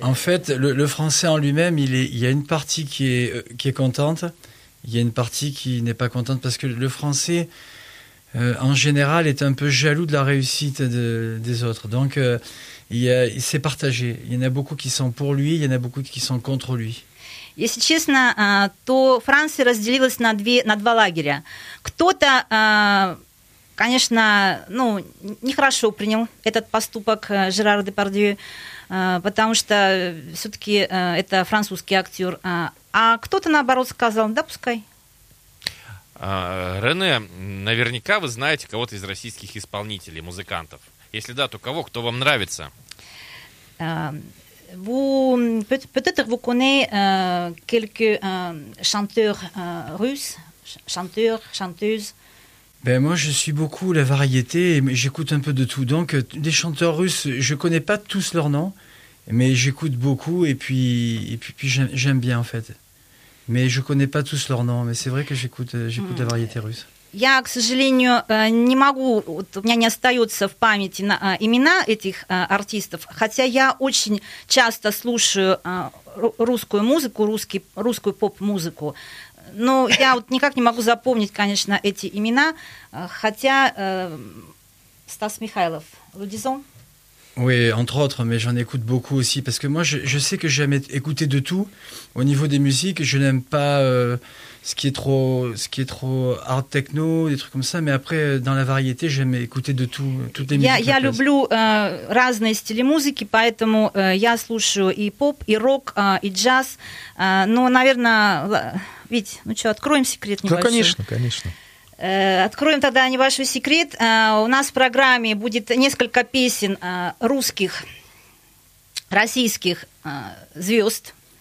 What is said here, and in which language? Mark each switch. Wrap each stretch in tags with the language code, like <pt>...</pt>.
<fr>En fait, le français en lui-même, il y a une partie qui est contente, il y a une partie qui n'est pas contente, parce que le français, en général, est un peu jaloux de la réussite des autres. Donc... C'est partagé. Il y en a beaucoup qui sont pour lui, il y en a beaucoup qui sont contre lui.</fr> <ru>Если честно, то Франция разделилась на два лагеря. Кто-то, конечно, ну, нехорошо принял этот поступок Жерара Депардье, потому что все-таки это французский актер. А кто-то, наоборот, сказал, да, пускай. Рене, наверняка вы знаете кого-то из российских исполнителей, музыкантов. Если да, то кого, кто вам нравится?</ru> <fr>Peut-être vous connaissez quelques chanteurs russes, chanteurs, chanteuses. Ben moi, je suis beaucoup la variété, j'écoute un peu de tout. Donc, des chanteurs russes, je ne connais pas tous leurs noms, mais j'écoute beaucoup et puis j'aime bien, en fait. Mais je ne connais pas tous leurs noms, mais c'est vrai que j'écoute la variété russe.</fr> <ru>Я, к сожалению, не могу, вот у меня не остается в памяти имена этих артистов, хотя я очень часто слушаю русскую музыку, русскую поп-музыку, но я вот никак не могу запомнить, конечно, эти имена, хотя Стас Михайлов, Лудизон.</ru> <fr>Oui, entre autres, mais j'en écoute beaucoup aussi, parce que moi, je sais que j'aime écouter de tout. Au niveau des musiques, je n'aime pas ce qui est trop hard techno, des trucs comme ça, mais après, dans la variété, j'aime écouter de tout, toutes les musiques.</fr> <ru>Я люблю разные стили музыки, поэтому я слушаю и поп, и рок, и джаз. Ну, наверное, Вить, ну что, откроем секрет небольшой? Ну, конечно, конечно. Откроем тогда небольшой секрет. У нас в программе будет несколько песен русских, российских звезд.</ru>